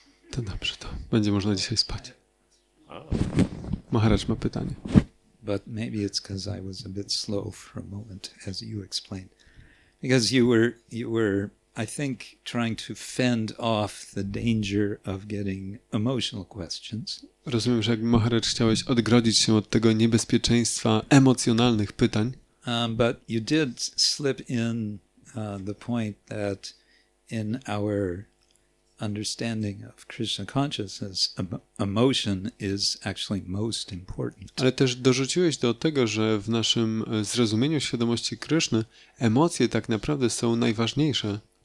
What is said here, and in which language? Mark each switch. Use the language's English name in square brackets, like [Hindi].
[Polish] To dobrze, to będzie można dzisiaj spać. Maharaj ma pytanie. [English] But maybe it's because I was a bit slow for a moment, as you explained, because you were, I think, trying to fend off the danger of getting emotional questions. [Polish] Rozumiem, że jak Maharaj chciałeś odgrodzić się od tego niebezpieczeństwa emocjonalnych pytań. [English] But you did slip in the point that in our understanding of Krishna consciousness, emotion is actually most important. [Polish] Ale też dorzuciłeś do tego, że w naszym zrozumieniu świadomości Kryszny emocje tak naprawdę są najważniejsze.